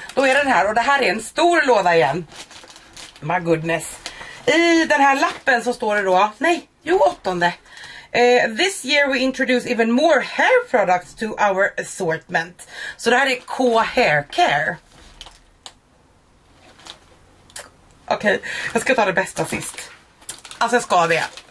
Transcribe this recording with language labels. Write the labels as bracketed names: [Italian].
[Swedish] Då är den här, och det här är en stor låda igen. [English] My goodness. [Swedish] I den här lappen så står det då. Nej, jo 8:e. [English] This year we introduce even more hair products to our assortment. [Swedish] Så det här är K-hair care. Okej, okay, jag ska ta det bästa sist. Alltså jag ska det.